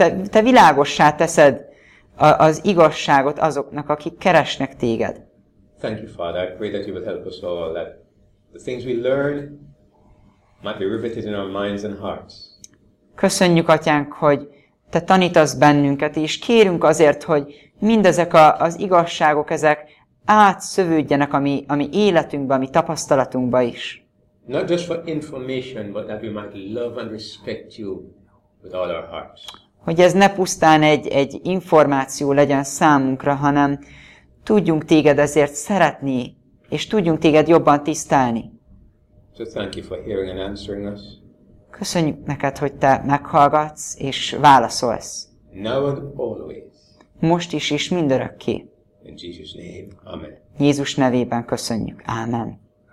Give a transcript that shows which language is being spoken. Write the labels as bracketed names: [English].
[Hungarian] Te világossá teszed az igazságot azoknak, akik keresnek téged. [English] Thank you, Father. I pray that you would help us all, that the things we learn might be riveted in our minds and hearts. [Hungarian] Köszönjük, atyánk, hogy te tanítasz bennünket, és kérünk azért, hogy mindezek az igazságok, ezek átszövődjenek a mi életünkbe, a mi tapasztalatunkba is. [English] Not just for information, but that we might love and respect you with all our hearts. [Hungarian] Hogy ez ne pusztán egy információ legyen számunkra, hanem tudjunk téged ezért szeretni, és tudjunk téged jobban tisztelni. [English] So thank you for hearing and answering us. [Hungarian] Köszönjük neked, hogy te meghallgatsz és válaszolsz. [English] Now and always. [Hungarian] Most is és mindörökké. [English] In Jesus name. Amen. [Hungarian] Jézus nevében köszönjük. Amen.